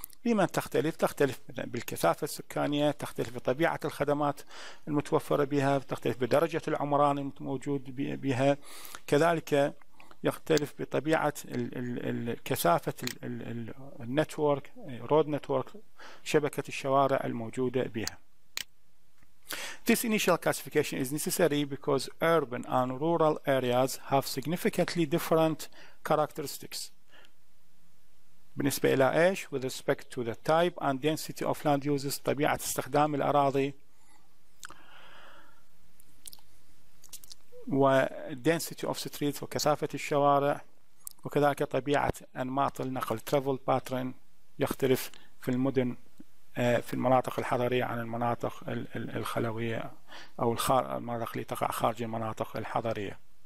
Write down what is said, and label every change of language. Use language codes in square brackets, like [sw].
[ar] لما تختلف؟ تختلف بالكثافة السكانية، تختلف بطبيعة الخدمات المتوفرة بها، تختلف بدرجة العمران الموجود بها، كذلك يختلف بطبيعة الكثافة النتورك رود نتورك شبكة الشوارع الموجودة بها. [en] This initial classification is necessary because urban and rural areas have significantly different characteristics. [ar] بالنسبة إلى إيش؟ [en] With respect to the type and density of land uses، [ar] طبيعة استخدام الأراضي و [en] density of streets [ar] وكثافة الشوارع، وكذلك طبيعة أنماط النقل [en] travel pattern [ar] يختلف في المدن في المناطق الحضرية عن المناطق الخلوية أو المناطق اللي تقع خارج المناطق الحضرية.